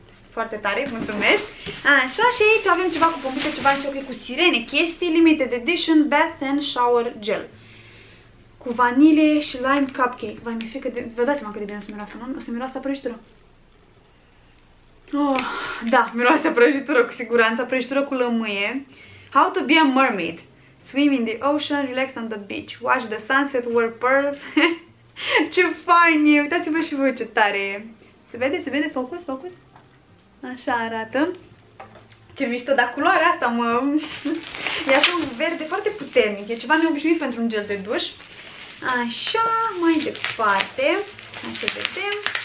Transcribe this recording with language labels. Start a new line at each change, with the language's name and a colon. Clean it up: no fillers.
Romanian: Foarte tare, mulțumesc. Așa, și aici avem ceva cu pompite, ceva și cu sirene. Chestii
English: limited edition bath and shower gel.
Romanian: Cu vanilie și lime cupcake. Vai, mi-e frică de... Vă dați seama cât de bine o să miroasă, nu? O să miroasă prăjitură. Oh, da, miroasă prăjitură, cu siguranță. Prăjitură cu lămâie.
English: How to be a mermaid. Swim in the ocean, relax on the beach. Watch the sunset, wear pearls.
Romanian: Ce fain e! Uitați-vă și voi ce tare e. Se vede? Se vede? Focus, focus? Așa arată. Ce mișto, dar culoarea asta mă... E așa un verde foarte puternic. E ceva neobișnuit pentru un gel de duș. Așa, mai departe. Hai să vedem.